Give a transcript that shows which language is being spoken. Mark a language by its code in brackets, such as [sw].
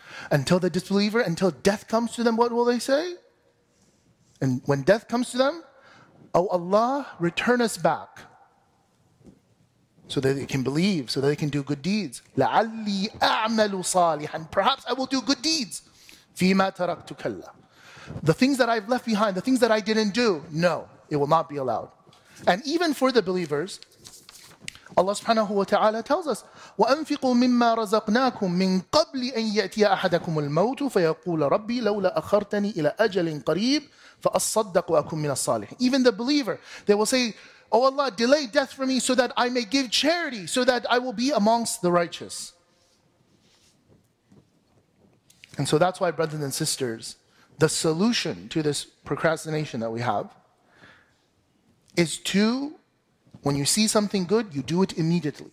[en] Until the disbeliever, until death comes to them, what will they say? And when death comes to them, oh Allah, return us back so that they can believe, so that they can do good deeds. [ar] لَعَلِّي أَعْمَلُ صَالِحًا. [en] Perhaps I will do good deeds. [ar] فِيمَا تَرَكْتُ كَلَّا. [en] The things that I've left behind, the things that I didn't do, no, it will not be allowed. And even for the believers, Allah subhanahu wa ta'ala tells us, [ar] وَأَنْفِقُوا مِمَّا رَزَقْنَاكُمْ مِنْ قَبْلِ أَنْ يَأْتِيَ أَحَدَكُمُ الْمَوْتُ فَيَقُولَ رَبِّي لَوْلَا أَخَرْتَنِي إِلَىٰ أَجَلٍ قَرِيبٍ فَأَصَّدَّقُ أَكُمْ مِنَ الصَّالِحِينَ. [en] Even the believer, they will say, oh Allah, delay death for me so that I may give charity, so that I will be amongst the righteous. And so that's why, brothers and sisters, the solution to this procrastination that we have is to, when you see something good, you do it immediately.